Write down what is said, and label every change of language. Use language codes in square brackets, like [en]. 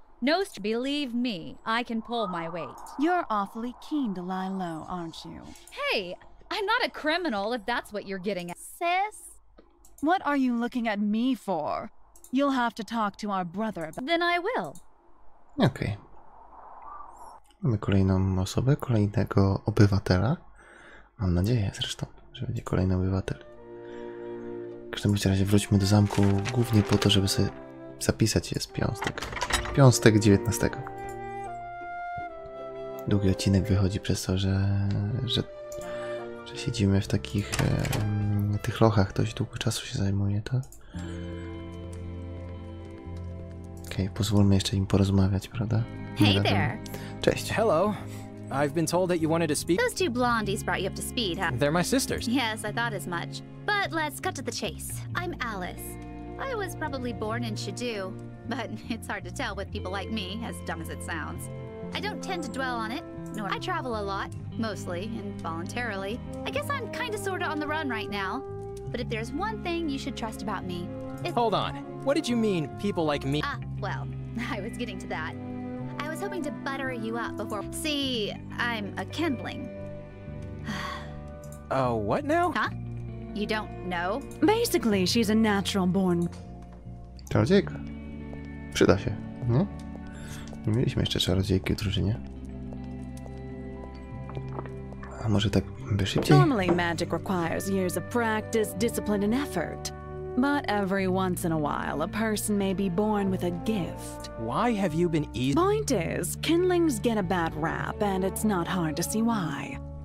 [en] Nost, believe me, I can pull my weight. You're awfully keen to lie low, aren't you? Hey, I'm not a criminal if that's what you're getting at. Sis? What are you looking at me for? You'll have to talk to our brother about... Then I will. Okay. [pl] Mamy kolejną osobę, kolejnego obywatela. Mam nadzieję zresztą, że będzie kolejny obywatel. W każdym razie wróćmy do zamku głównie po to, żeby sobie zapisać jest piąstek. Piąstek 19. Długi odcinek wychodzi przez to, że siedzimy w takich tych lochach, dość długo czasu się zajmuje to. Okej, pozwólmy jeszcze im porozmawiać, prawda? [en] Hey there. [pl] Cześć. [en] Hello. I've been told that you wanted to speak. Those two blondies brought you up to speed, huh? They're my sisters. Yes, I thought as much. But let's cut to the chase. I'm Alice. I was probably born in Shadoo, but it's hard to tell with people like me, as dumb as it sounds. I don't tend to dwell on it, nor I travel a lot, mostly, and voluntarily. I guess I'm kinda sorta on the run right now. But if there's one thing you should trust about me, it's... Hold on. What did you mean, people like me? Well, I was getting to that. I was hoping to butter you up before... See, I'm a kindling. What now? Huh? You don't know? Basically, she's a natural born... [pl] Czarodziejka. Przyda się, nie? Nie mieliśmy jeszcze czarodziejki w drużynie. A może tak by szybciej? [en] Normally, magic requires years of practice, discipline and effort. But every once in a while, a person may be born with a gift. Why have you been easy? Point is, kindlings get a bad rap, and it's not hard to see why.